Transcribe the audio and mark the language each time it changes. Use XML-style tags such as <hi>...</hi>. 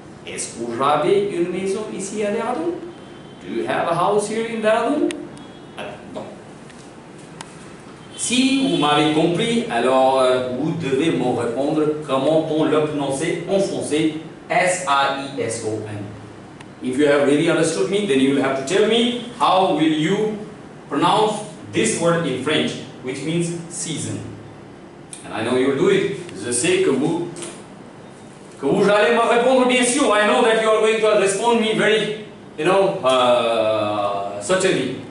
<fr>Est-ce que vous avez une maison ici à Dehradun?</fr> <en>Do you have a house here in Dehradun?</en> <fr>Si vous m'avez compris, alors vous devez me répondre comment on le prononce en français, S-I-E-S-O-N.</fr> <en>If you have really understood me, then you will have to tell me how will you pronounce this word in French, which means season. And I know you will do it.</en> <fr>Je sais que vous allez me répondre, bien sûr.</fr> <en>I know that you are going to respond me very, you know, certainly.</en>